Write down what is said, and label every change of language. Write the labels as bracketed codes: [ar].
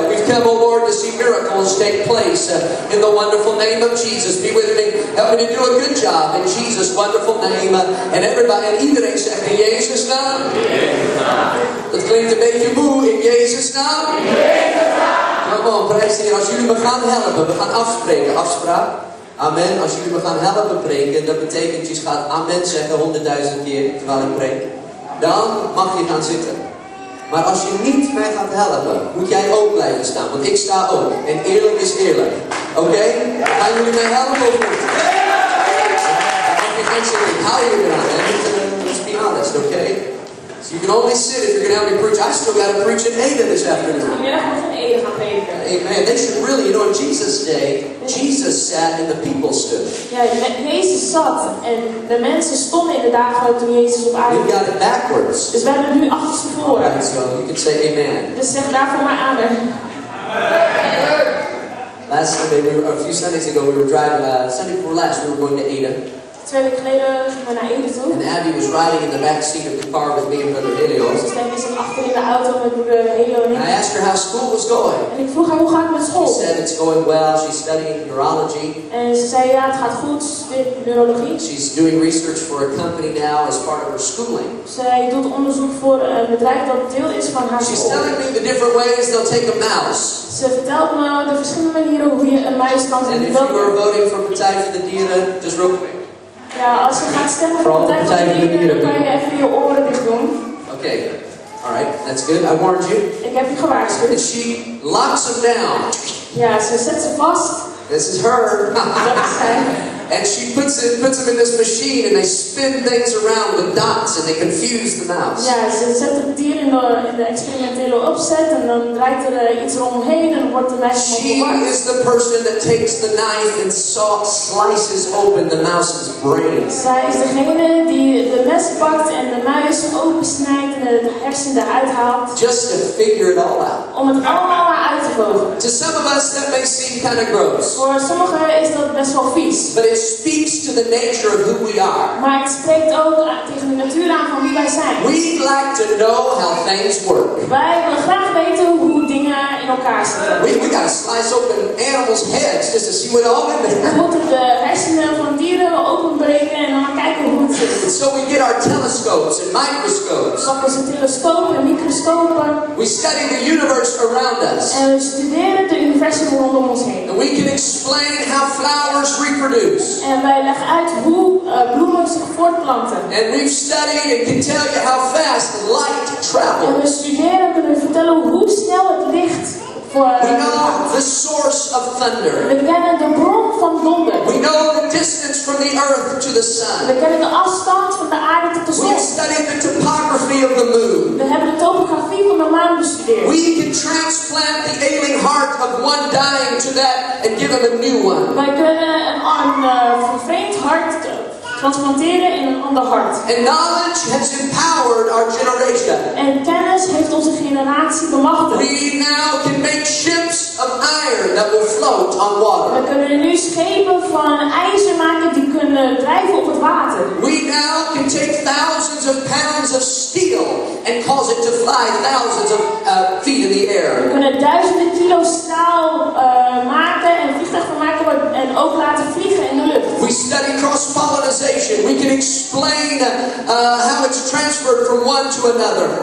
[en] We've come, oh Lord, to see miracles take place in the wonderful name of Jesus. Be with me. Help me to do a good job in Jesus' wonderful name. And everybody, and even accept in Jesus' name. In Jesus' name. Let's claim to make you move in Jesus' name. In Jesus' name. Come on, praise the Lord. [nl] As you me gaan helpen, we gaan afspreken. Afspraak. Amen. Als jullie me gaan helpen preken, dat betekent je gaat amen zeggen 100.000 keer terwijl ik preek. Dan mag je gaan zitten. Maar als je niet mij gaat helpen, moet jij ook blijven staan. Want ik sta ook. En eerlijk is eerlijk. Oké? Okay? Gaan jullie mij helpen of niet? Ik denk dat jullie me gaan helpen. [en] Let's be honest, oké? Okay? So you can only sit if you're going to help me preach. I still got to preach in Ada this afternoon. Amen. They should really, you know, on Jesus' day, Jesus sat and the people stood. [nl] Jezus zat en de mensen stonden in de dagen toen Jezus op aarde. [en] We've got it backwards. [nl] Dus we hebben nu achter voor. [en] All right, so you can say amen. [nl] Dus zeg daarvoor maar amen. [en] Last Sunday, a few Sundays ago, we were driving, Sunday before last, we were going to Ada. [nl] Twee weken geleden gingen we naar Ede toe. [en] And Abby was riding in the back seat of the car with me and Brother Helios. [nl] Dus Abby is achter in de auto met moeder Helo en ik. [en] I asked her how school was going. [nl] En ik vroeg haar hoe gaat het met school. [en] She said it's going well. She's studying neurology. [nl] En ze zei ja, het gaat goed, neurologie. [en] She's doing research for a company now as part of her schooling. [nl] Zij doet onderzoek voor een bedrijf dat deel is van haar [en] She's [nl] school. [en] She's telling me the different ways they'll take a mouse. [nl] Ze vertelt me de verschillende manieren hoe je een muis kan doen. [en] And if you were voting for Partij voor de Dieren, just real quick. [nl] Ja, als je gaat stemmen voor de Partij voor de Dieren, kan je even je oren dicht doen. [en] Oké, alright, that's good. I warned you. [nl] Ik heb je gewaarschuwd. [en] And she locks them down. [nl] Ja, ze zet ze vast. [en] This is her. [nl] Dat is zij. [en] And she puts them in this machine and they spin things around with dots and they confuse the mouse. [nl] Ja, ze zet het dier in de experimentele opzet en dan draait er iets eromheen en wordt de muis gewaarschuwd. [en] She is the person that takes the knife and slices open the mouse's brain. [nl] Zij is degene die de mes pakt en de muis opensnijdt en de hersenen eruit haalt. [en] Just to figure it all out. [nl] Om het allemaal uit te vogelen. [en] To some of us that may seem kind of gross. [nl] Voor sommigen is dat best wel vies. [en] But it speaks to the nature of who we are. [nl] Maar het spreekt ook tegen de natuur aan van wie wij zijn. [en] We'd like to know how things work. [nl] Wij willen graag weten hoe dingen in elkaar zitten. [en] We gotta slice open animals' heads just to see what all in there. [nl] We moeten de hersenen van dieren openbreken en dan kijken hoe het zit. [en] So we get our telescopes and microscopes. [nl] Pak onze telescopen en microscopen. [en] We study the universe around us. [nl] En we studeren de universum rondom ons heen. [en] And we can explain how flowers reproduce. [nl] En wij leggen uit hoe bloemen zich voortplanten. [en] And we've studied and can tell you how fast light travels. [nl] En we studeren kunnen vertellen hoe snel het licht voor. [en] We know the source of thunder. [nl] We kennen de bron van donder. [en] We know the distance from the earth to the sun. [nl] We kennen de afstand van de aarde tot de zon. [en] We've studied the topography of the moon. [nl] We hebben de topografie van de maan bestudeerd. [en] We can transplant the ailing heart of one dying to that and give him a new one. [nl] Wij kunnen een vervreemd hart transplanteren in een ander hart. [en] And knowledge has empowered our generation. [nl] En kennis heeft onze generatie bemachtigd. [en] We now can make ships of iron that will float on water. [nl] We kunnen nu schepen van ijzer maken die kunnen drijven op het water. [en] We now can take thousands of pounds of steel and cause it to fly thousands of feet in the air. [nl] We kunnen duizenden kilo staal maken en vliegtuig van maken en ook laten vliegen in de lucht. [en] We study cross-pollination. We can explain how it's transferred from one to another.